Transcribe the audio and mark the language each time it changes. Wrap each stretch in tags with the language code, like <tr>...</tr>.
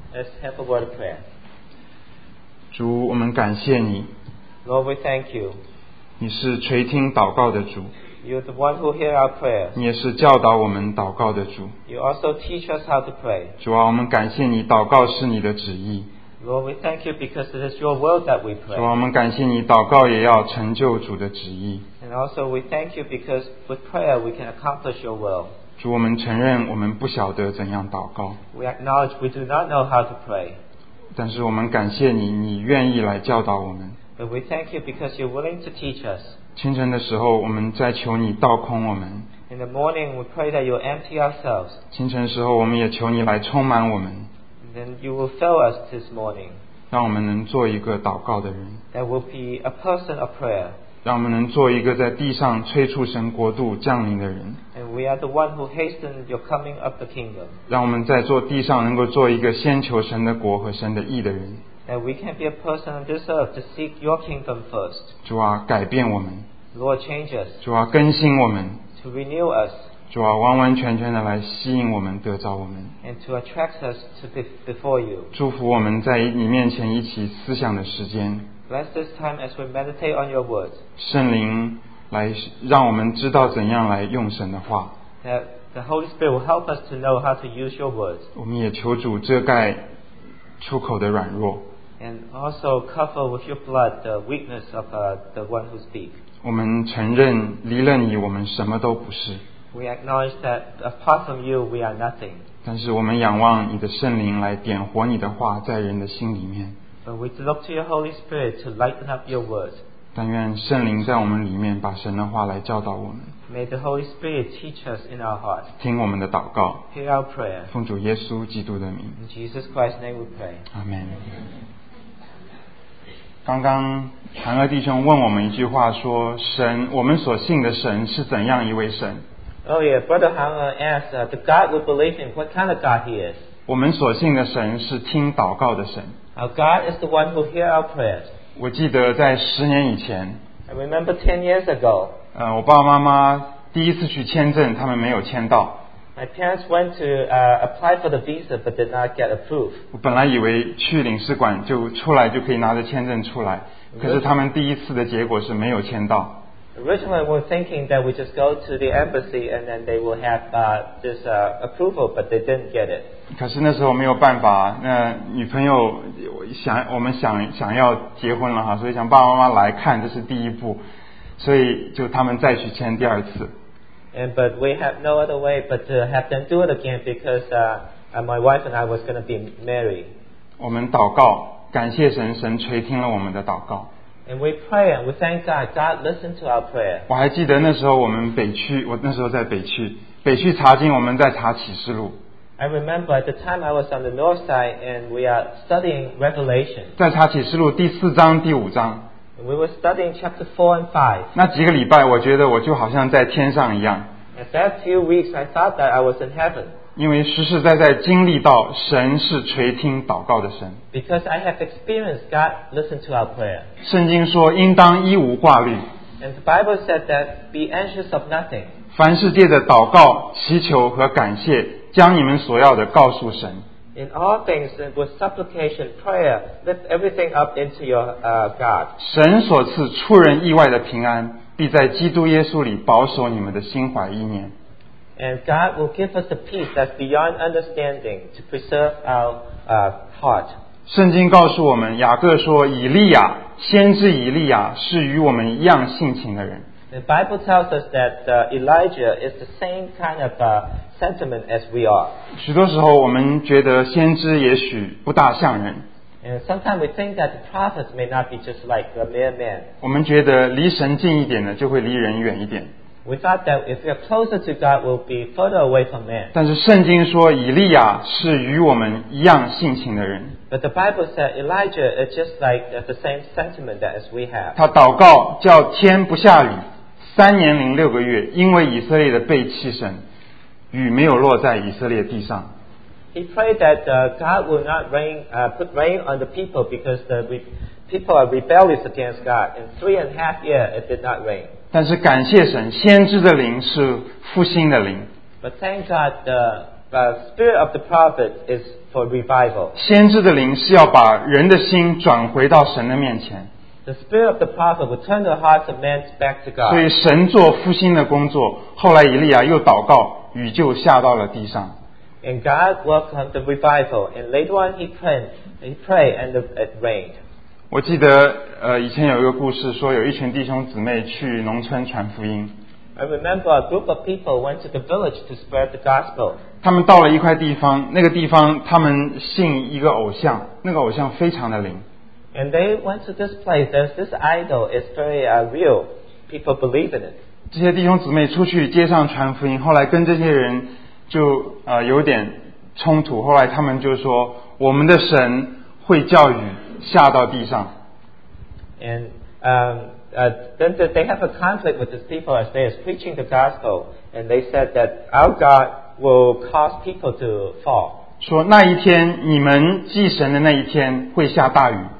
<en>Let's have a word of prayer.</en> <zh>主，我们感谢你。</zh> <en>Lord, we thank you.</en> <zh>你是垂听祷告的主。</zh> <en>You're the one who hears our prayers.</en> <zh>你也是教导我们祷告的主。</zh> <en>You also teach us how to pray.</en> <zh>主啊，我们感谢你，祷告是你的旨意。</zh> <en>Lord, we thank you because it is your will that we pray.</en> <zh>主啊，我们感谢你，祷告也要成就主的旨意。</zh> <en>And also we thank you because with prayer we can accomplish your will.</en> <zh>主，我们承认我们不晓得怎样祷告。</zh> <en>We acknowledge we do not know how to pray.</en> <zh>但是我们感谢你，你愿意来教导我们。</zh> <en>But we thank you because you're willing to teach us.</en> <zh>清晨的时候，我们在求你倒空我们。</zh> <en>In the morning, we pray that you'll empty ourselves.</en> <zh>清晨时候，我们也求你来充满我们。</zh> <en>Then you will fill us this morning.</en> <zh>让我们能做一个祷告的人。</zh> <en>That will be a person of prayer.</en> <zh>让我们能做一个在地上催促神国度降临的人。</zh> <en>And we are the one who hasten your coming of the kingdom.</en> <zh>让我们在做地上能够做一个先求神的国和神的义的人。</zh> <en>That we can be a person on this earth to seek your kingdom first.</en> <zh>主啊，改变我们。</zh> <en>Lord, change us.</en> <zh>主啊，更新我们。</zh> <en>To renew us.</en> <zh>主啊，完完全全的来吸引我们，得着我们。</zh> <en>And to attract us to be before you.</en> <zh>祝福我们在你面前一起思想的时间。</zh> <en>Bless this time as we meditate on your word.</en> <zh>圣灵来让我们知道怎样来用神的话。</zh> <en>That the Holy Spirit will help us to know how to use your words.</en> <zh>我们也求主遮盖出口的软弱。</zh> <en>And also cover with your blood the weakness of the one who speaks.</en> <zh>我们承认离了你，我们什么都不是。</zh> <en>We acknowledge that apart from you, we are nothing.</en> <zh>但是我们仰望你的圣灵来点火你的话在人的心里面。</zh> <en>But we look to your Holy Spirit to lighten up your words.</en> <zh>但愿圣灵在我们里面把神的话来教导我们。</zh> <en>May the Holy Spirit teach us in our hearts.</en> <zh>听我们的祷告。</zh> <en>Hear our prayer.</en> <zh>奉主耶稣基督的名。</zh> <en>In Jesus Christ's name we pray. Amen.</en> <zh>刚刚韩哥弟兄问我们一句话说，神，我们所信的神是怎样一位神？</zh> <en>Oh yeah, Brother Han asked, the God we believe in, what kind of God he is?</en> <zh>我们所信的神是听祷告的神。</zh> <en>Our God is the one who hears our prayers.</en> <zh>我记得在十年以前。</zh> <en>I remember 10 years ago.</en> <zh>我爸爸妈妈第一次去签证，他们没有签到。</zh> <en>My parents went to apply for the visa, but did not get approved.</en> <zh>我本来以为去领事馆就出来就可以拿着签证出来，可是他们第一次的结果是没有签到。</zh> <en>Originally, we were thinking that we just go to the embassy and then they will have approval, but they didn't get it.</en> <zh>可是那时候没有办法，那女朋友我们想要结婚了哈，所以想爸爸妈妈来看，这是第一步，所以就他们再去签第二次。</zh> <en>And but we have no other way but to have them do it again because my wife and I was going to be married.</en> <zh>我们祷告，感谢神，神垂听了我们的祷告。</zh> <en>And we pray and we thank God. God listened to our prayer.</en> <zh>我还记得那时候我们北区，我那时候在北区，北区查经，我们在查启示录。</zh> <en>I remember at the time I was on the north side and we are studying Revelation.</en> <zh>在查启示录第四章第五章。</zh> <en>We were studying chapter 4 and 5.</en> <zh>那几个礼拜，我觉得我就好像在天上一样。</zh> <en>At that few weeks, I thought that I was in heaven.</en> <zh>因为实实在在经历到神是垂听祷告的神。</zh> <en>Because I have experienced God listened to our prayer.</en> <zh>圣经说应当一无挂虑。</zh> <en>And the Bible said that be anxious of nothing.</en> <zh>凡事借着祷告、祈求和感谢，将你们所要的告诉神。</zh> <en>In all things with supplication, prayer, lift everything up into your God.</en> <zh>神所赐出人意外的平安，必在基督耶稣里保守你们的心怀意念。</zh> <en>And God will give us the peace that's beyond understanding to preserve our heart.</en> <zh>圣经告诉我们，雅各说，以利亚，先知以利亚是与我们一样性情的人。</zh> <en>The Bible tells us that Elijah is the same kind of sentiment as we are.</en> <zh>许多时候我们觉得先知也许不大像人。</zh> <en>And sometimes we think that the prophets may not be just like a mere man.</en> <zh>我们觉得离神近一点呢，就会离人远一点。</zh> <en>We thought that if we are closer to God, we'll be further away from man.</en> <zh>但是圣经说以利亚是与我们一样性情的人。</zh> <en>But the Bible said Elijah is just like the same sentiment that as we have.</en> <zh>他祷告叫天不下雨三年零六个月，因为以色列的背弃神，雨没有落在以色列地上。</zh> <en>He prayed that God will not rain, put rain on the people because the people are rebellious against God. In 3.5 years, it did not rain.</en> <zh>但是感谢神，先知的灵是复兴的灵。</zh> <en>But thank God, the spirit of the prophet is for revival.</en> <zh>先知的灵是要把人的心转回到神的面前。</zh> <en>The spirit of the prophet will turn the hearts of men back to God.</en> <zh>所以神做复兴的工作，后来以利亚又祷告，雨就下到了地上。</zh> <en>And God worked on the revival, and later on he prayed and it rained.</en> <zh>我记得以前有一个故事，说有一群弟兄姊妹去农村传福音。</zh> <en>I remember a group of people went to the village to spread the gospel.</en> <zh>他们到了一块地方，那个地方他们信一个偶像，那个偶像非常的灵。</zh> <en>And they went to this place. There's this idol. It's very real. People believe in it.</en> <zh>这些弟兄姊妹出去街上传福音，后来跟这些人就有点冲突。后来他们就说，我们的神会叫雨。下到地上。</zh> <en>And then they have a conflict with these people as they are preaching the gospel, and they said that our God will cause people to fall.</en> <zh>说那一天你们祭神的那一天会下大雨。</zh>